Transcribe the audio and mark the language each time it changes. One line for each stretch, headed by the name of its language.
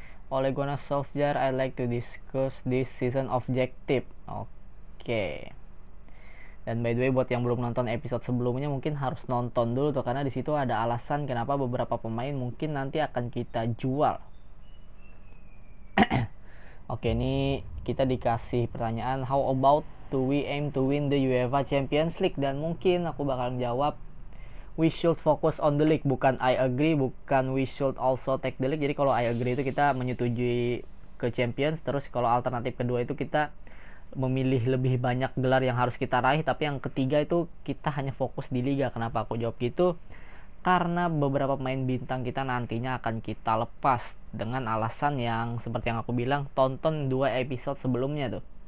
English: Ole Gunnar Solskjaer, I'd like to discuss this season objective.
Indonesian: Oke. Dan by the way, buat yang belum nonton episode sebelumnya mungkin harus nonton dulu tuh karena di situ ada alasan kenapa beberapa pemain mungkin nanti akan kita jual. Oke, ini kita dikasih pertanyaan, how about do we aim to win the UEFA Champions League? Dan mungkin aku bakal jawab, we should focus on the league, bukan I agree, bukan we should also take the league. Jadi kalau I agree itu kita menyetujui ke Champions, terus kalau alternatif kedua itu kita memilih lebih banyak gelar yang harus kita raih, tapi yang ketiga itu kita hanya fokus di liga. Kenapa aku jawab gitu? Karena beberapa pemain bintang kita nantinya akan kita lepas dengan alasan yang seperti yang aku bilang, tonton dua episode sebelumnya tuh.